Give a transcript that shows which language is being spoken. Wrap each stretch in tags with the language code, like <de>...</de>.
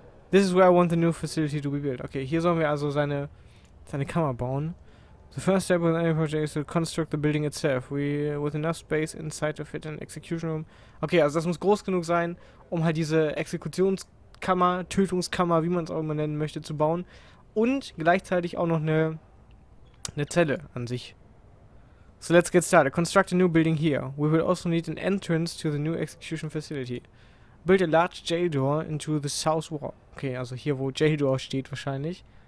<en>This is where I want the new facility to be built.</en> <de>Okay, hier sollen wir also seine Kammer bauen.</de> <en>The first step with any project is to construct the building itself. With enough space inside to fit an execution room.</en> <de>Okay, also das muss groß genug sein, um halt diese Exekutionskammer, Tötungskammer, wie man es auch immer nennen möchte, zu bauen. Und gleichzeitig auch noch eine Zelle an sich.</de> <en>So, let's get started. Construct a new building here. We will also need an entrance to the new execution facility. Build a large jail door into the south wall.</en> <de>Okay, also hier, wo Jail Door steht, wahrscheinlich.</de>